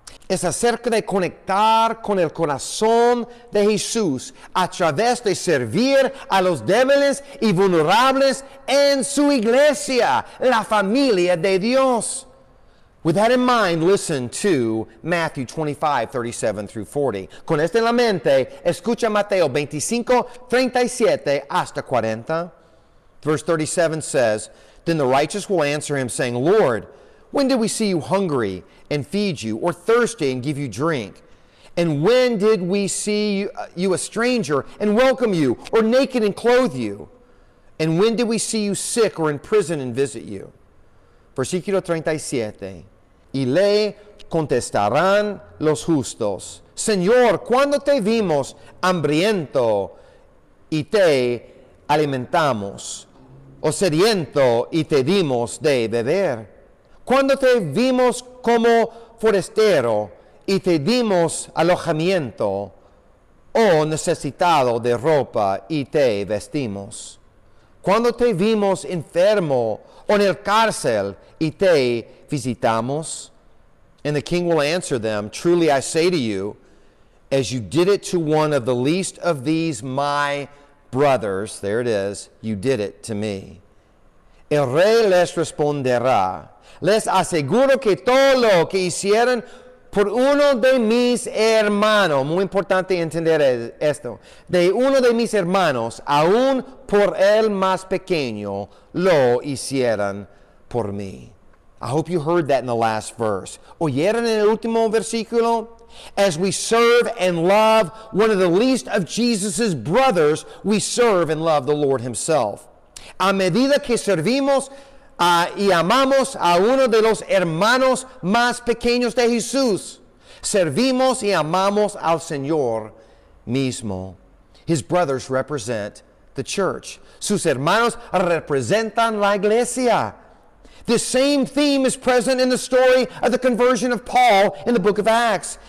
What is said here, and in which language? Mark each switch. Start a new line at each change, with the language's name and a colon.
Spanish: Es acerca de conectar con el corazón de Jesús a través de servir a los débiles y vulnerables en su iglesia, la familia de Dios.
English: With that in mind, listen to Matthew 25, 37 through 40.
Spanish: Con esto en la mente, escucha Mateo 25, 37 hasta 40.
English: Verse 37 says, "Then the righteous will answer him, saying, 'Lord, when did we see you hungry and feed you, or thirsty and give you drink? And when did we see you a stranger and welcome you, or naked and clothe you? And when did we see you sick or in prison and visit you?'"
Spanish: Versículo 37. Y le contestarán los justos, "Señor, ¿cuándo te vimos hambriento y te alimentamos? O sediento y te dimos de beber? ¿Cuándo te vimos como forastero y te dimos alojamiento? O necesitado de ropa y te vestimos? ¿Cuándo te vimos enfermo o en el cárcel y te visitamos?"
English: And the king will answer them, "Truly I say to you, as you did it to one of the least of these my brothers," there it is, "you did it to me."
Spanish: El rey les responderá, "Les aseguro que todo lo que hicieron por uno de mis hermanos," muy importante entender esto, "de uno de mis hermanos, aún por el más pequeño, lo hicieron por mí."
English: I hope you heard that in the last verse.
Spanish: ¿Oyeron en el último versículo?
English: As we serve and love one of the least of Jesus' brothers, we serve and love the Lord himself.
Spanish: A medida que servimos y amamos a uno de los hermanos más pequeños de Jesús, servimos y amamos al Señor mismo.
English: His brothers represent the church.
Spanish: Sus hermanos representan la iglesia.
English: The same theme is present in the story of the conversion of Paul in the book of Acts.